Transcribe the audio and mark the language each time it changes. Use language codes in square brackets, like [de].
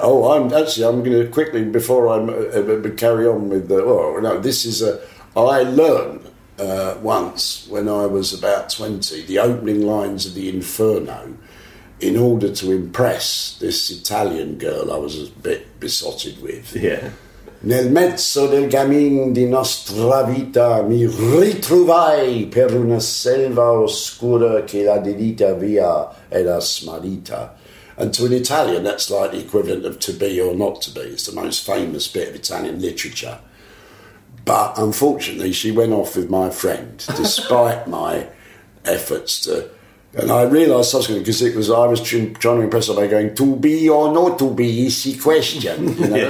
[en] Oh, I'm going to quickly, before I carry on with the... Oh, no, this is a... I learned once when I was about 20, the opening lines of the Inferno, in order to impress this Italian girl I was a bit besotted with. Yeah. [it] Nel mezzo del cammin di nostra vita mi ritrovai per una selva oscura che la delita via era smarrita. [en] And to an Italian, that's like the equivalent of to be or not to be. It's the most famous bit of Italian literature. But unfortunately, she went off with my friend, despite my efforts to... And I realised subsequently, because I was trying to impress her by going, to be or not to be is the question. You know, yeah.